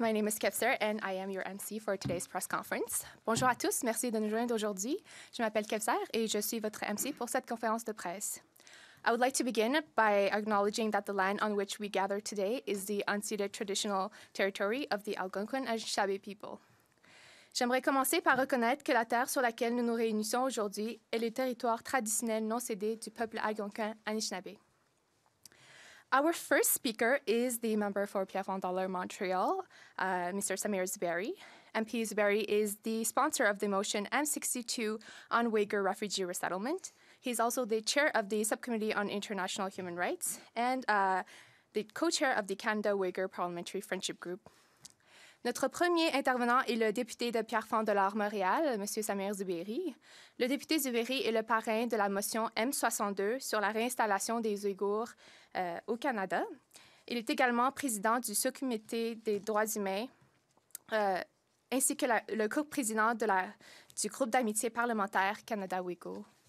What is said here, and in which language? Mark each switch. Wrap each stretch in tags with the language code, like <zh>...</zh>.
<en>My name is Kevser, and I am your MC for today's press conference.</en> <fr>Bonjour à tous. Merci de nous joindre aujourd'hui. Je m'appelle Kevser, et je suis votre MC pour cette conférence de presse.</fr> <en>I would like to begin by acknowledging that the land on which we gather today is the unceded traditional territory of the Algonquin and Chabé people.</en> <fr>J'aimerais commencer par reconnaître que la terre sur laquelle nous nous réunissons aujourd'hui est le territoire traditionnel non cédé du peuple Algonquin Anishinaabe.</fr> <en>Our first speaker is the member for Pierrefonds-Dollard Montreal, Mr. Sameer Zuberi. MP Zuberi is the sponsor of the motion M62 on Uyghur refugee resettlement. He's also the chair of the Subcommittee on International Human Rights and the co-chair of the Canada-Uyghur Parliamentary Friendship Group.</en> <fr>Notre premier intervenant est le député de Pierrefonds-Dollard Montréal, M. Sameer Zuberi. Le député Zuberi est le parrain de la motion M62 sur la réinstallation des Ouïghours au Canada. Il est également président du sous-comité des droits humains ainsi que le co-président du groupe d'amitié parlementaire Canada-Ouïghour.</fr>